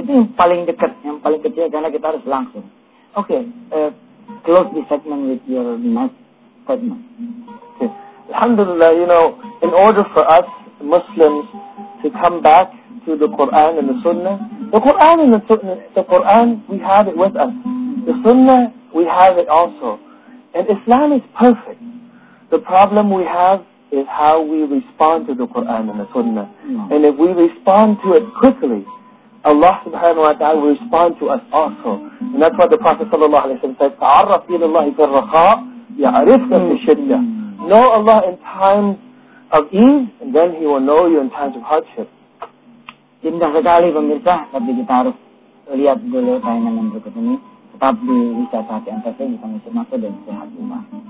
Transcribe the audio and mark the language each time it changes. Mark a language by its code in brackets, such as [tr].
[id] Itu yang paling dekat, yang paling kecil, karena kita harus langsung. [en] Okay, close the segment with your next segment. Okay. Alhamdulillah, you know, in order for us Muslims to come back to the Quran and the Sunnah, the Quran, we have it with us. The Sunnah, we have it also. And Islam is perfect. The problem we have is how we respond to the Quran and the Sunnah. Mm-hmm. And if we respond to it quickly, Allah subhanahu wa ta'ala will respond to us also. And that's why the Prophet sallallahu alayhi wa sallam says, [ar] "Ta'arraf ila Allahi fil rakha, ya'arifka fil shidda." [en] Know Allah in times of ease, and then He will know you in times of hardship. [id] Indah sekali pemirsa, tapi kita harus lihat dulu tayangan yang berikut ini. Tetap di wisata hati antar saya, bisa masuk masuk dan sehat rumah.